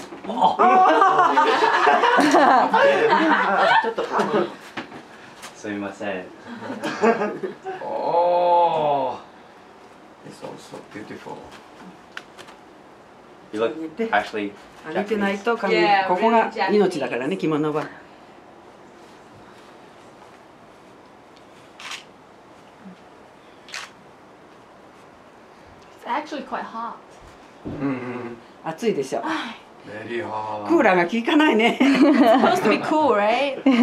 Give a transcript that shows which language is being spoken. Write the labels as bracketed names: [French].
[Japanese] ああちょっとすみません。 [English] おー It's also beautiful. You look actually [Japanese] Japanese. 歩いてないと髪、ここが命だからね、着物は。 [English] Actually quite hot. [Japanese] 暑いでしょ。 [English] Very hot. [Japanese] クーラーが効かないね。 [English] Supposed to be cool, right?